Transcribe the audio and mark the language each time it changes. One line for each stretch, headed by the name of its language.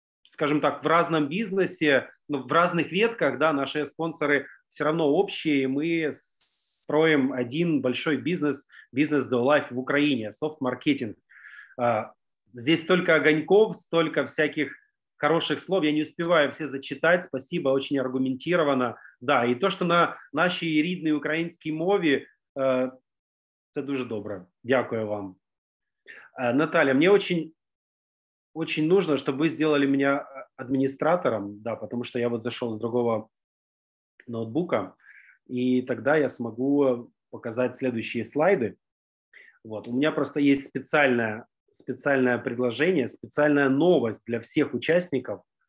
Russian: скажем так, в разном бизнесе, но в разных ветках, да, наши спонсоры все равно общие, и мы строим один большой бизнес, бизнес DoLife в Украине, софт-маркетинг. Здесь столько огоньков, столько всяких хороших слов, я не успеваю все зачитать, спасибо, очень аргументированно. Да, и то, что на нашей
Ukrainian: рідній українській мові, це дуже добре. Дякую вам.
Russian: Наталья, мне очень, очень нужно, чтобы вы сделали меня администратором, да, потому что я вот зашел с другого ноутбука, и тогда я смогу показать следующие слайды. Вот, у меня просто есть специальная... специальное предложение, специальная новость для всех участников.